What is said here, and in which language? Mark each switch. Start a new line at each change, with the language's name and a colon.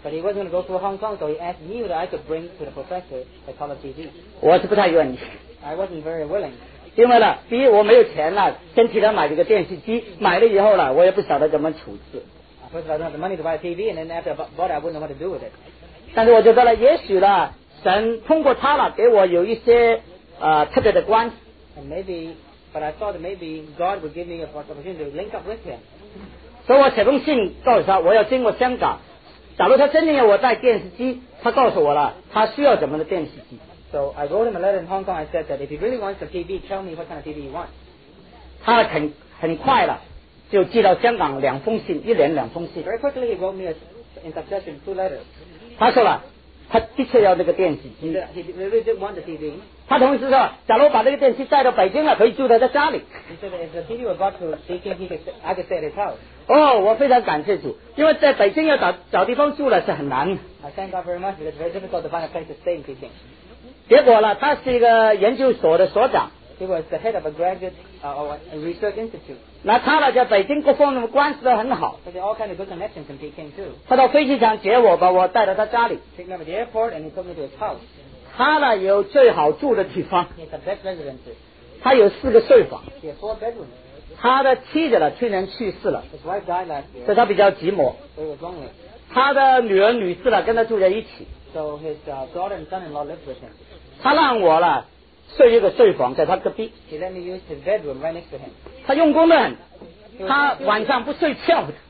English: But he wasn't going to go through Hong Kong, so he asked me whether I could bring to the professor a color TV.
Chinese: 我是不太愿意。
English: I wasn't very willing.
Chinese: 因为呢，第一我没有钱了，先替他买这个电视机。买了以后呢，我也不晓得怎么处置。
English: First of all, I don't have the money to buy a TV, and then after I bought it, I wouldn't know what to do with it.
Chinese: 但是我觉得呢，也许呢，神通过他了，给我有一些特别的关系。
English: And maybe, but I thought maybe God would give me a opportunity to link up with Him.
Chinese: 所以我写封信告诉他，我要经过香港。假如他真的要我带电视机，他告诉我了，他需要怎么的电视机。
English: So I wrote him a letter in Hong Kong. I said that if he really wants a TV, tell me what kind of TV he wants.
Chinese: 他很快了，就寄到香港两封信，一连两封信。
English: Very quickly he wrote me a, in succession two letters.
Chinese: 他说了，他的确要那个电视机。
English: He really did want the TV.
Chinese: 他同时说，假如把这个电视带到北京了，可以住在他家里。
English: He said if the TV were brought to Beijing, I could stay at his house.
Chinese: Oh, 我非常感谢主，因为在北京要 找地方住了是很难。
English: I thank God very much, it's very difficult to find a place to stay in Beijing.
Chinese: 结果呢，他是一个研究所的所长。
English: He was the head of a graduate or a research institute.
Chinese: 那他呢，在北京各方面关系都很好。
English: He had all kinds of good connections in Beijing too.
Chinese: 他到飞机场接我，把我带到他家里。
English: He took me to the airport and he took me to his house.
Chinese: 他呢，有最好住的地方。
English: He had the best residence.
Chinese: 他有四个睡房。
English: He had four bedrooms.
Chinese: 他的妻子呢，去年去世了。
English: His wife died last year.
Chinese: 所以他比较寂寞。
English: So he was lonely.
Chinese: 他的女儿女婿呢，跟他住在一起。
English: So his daughter and son-in-law lived with him.
Chinese: 他让我呢，睡一个睡房在他隔壁。
English: He let me use his bedroom right next to him.
Chinese: 他用功的很，他晚上不睡觉的。